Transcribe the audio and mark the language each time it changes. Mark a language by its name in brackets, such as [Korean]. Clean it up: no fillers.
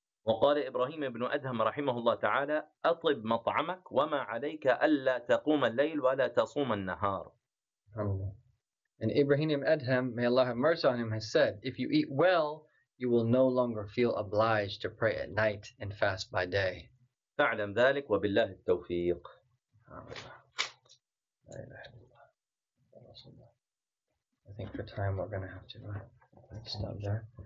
[Arabic] وَقَالَ إِبْرَاهِيمَ بْنُ أَدْهَمَ رَحِمَهُ اللَّهُ تَعَالَى أَطْلِبْ مَطْعَمَكْ وَمَا عَلَيْكَ أَلَّا تَقُومَ اللَّيْلُ وَلَا تَصُومَ النَّهَارِ. [English] And Ibrahim Adham, may Allah have mercy on him, has said, if you eat well, you will no longer feel obliged to pray at night and fast by day. [Arabic] فاعلم ذلك وبالله التوفيق. [English] I think for time we're going to have to stop there.